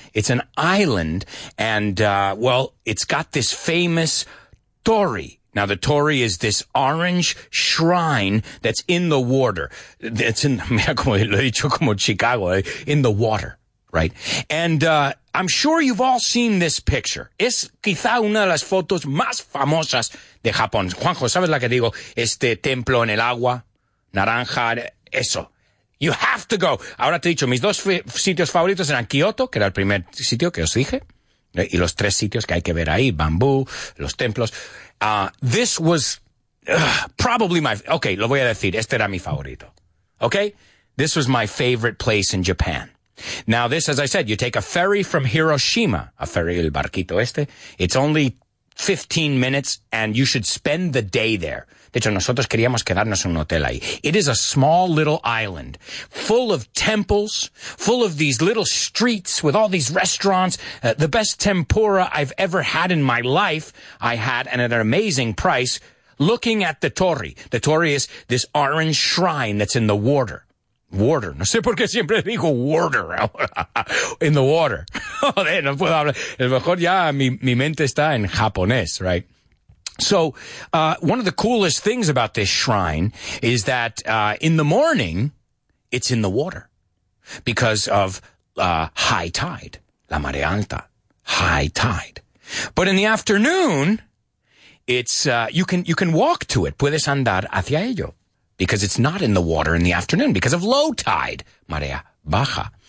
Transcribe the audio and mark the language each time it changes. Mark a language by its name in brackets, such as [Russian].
[English] It's an island, and, it's got this famous torii. Now, the torii is this orange shrine that's in the water. That's in, [Spanish] mira como lo he dicho, como Chicago, [English] in the water, right? And I'm sure you've all seen this picture. [Spanish] Es quizá una de las fotos más famosas de Japón. Juanjo, ¿sabes la que digo? Este templo en el agua, naranja, eso. [English] You have to go. [Spanish] Ahora te he dicho, mis dos sitios favoritos eran Kioto, que era el primer sitio que os dije, y los tres sitios que hay que ver ahí, bambú, los templos. [English] This was probably my... [Spanish] Okay, lo voy a decir. Este era mi favorito. Okay? [English] This was my favorite place in Japan. Now, this, as I said, you take a ferry from Hiroshima. A ferry, [Spanish] el barquito este. [English] It's only 15 minutes, and you should spend the day there. [Spanish] De hecho, nosotros queríamos quedarnos en un hotel ahí. [English] It is a small little island full of temples, full of these little streets with all these restaurants. The best tempura I've ever had in my life, I had, and at an amazing price, looking at the torii. The torii is this orange shrine that's in the water. Water. [Spanish] No sé por qué siempre digo water. [English] In the water. [Spanish] Joder, no puedo hablar. A lo mejor ya mi mente está en japonés, right? [English] So, one of the coolest things about this shrine is that, in the morning, it's in the water because of, high tide, [Spanish] la marea alta, [English] high tide. But in the afternoon, it's, you can walk to it, [Spanish] puedes andar hacia ello, [English] because it's not in the water in the afternoon because of low tide, [Spanish] marea baja.